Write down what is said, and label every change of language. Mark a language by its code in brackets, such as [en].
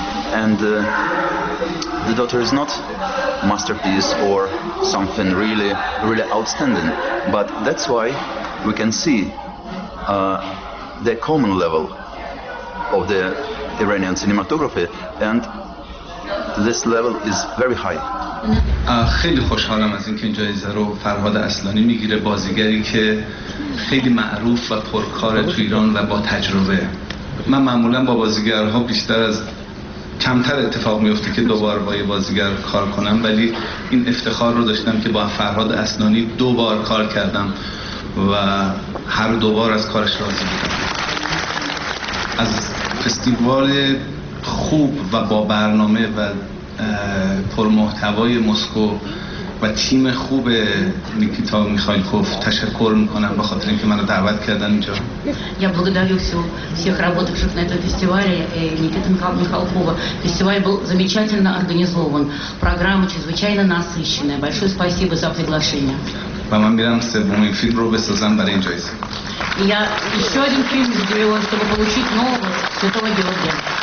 [en] And The Daughter is not a masterpiece or something really, really outstanding, but that's why we can see the common level of the Iranian cinematography, and this level is very high. [fa] خیلی خوشحالم از اینکه جایزه رو فرهاد اصلانی میگیره، بازیگری که خیلی معروف و پرکار تو ایران و با تجربه. من معمولا با بازیگرها بیشتر از کمتر اتفاق میفته که دوبار با یه بازیگر کار کنم، ولی این افتخار رو داشتم که با فرهاد اصلانی دوبار کار کردم و هر دوبار از کارش راضی بودم. از فستیوال خوب و با برنامه و پرمحتوای مسکو و تیم خوب نیکیتا میخائیلوف تشکر میکنم به خاطر اینکه منو دعوت کردن اینجا. [ru] Я благодарю всех работавших на этом фестивале Никиту Михалкова. Фестиваль был замечательно организован. Программа чрезвычайно насыщенная. Большое спасибо за приглашение. [fa] و من میرم سومین فیلم رو بسازم برای این جایزه. [ru] Я ещё один фильм сделаю, чтобы получить нового Святого Георгия.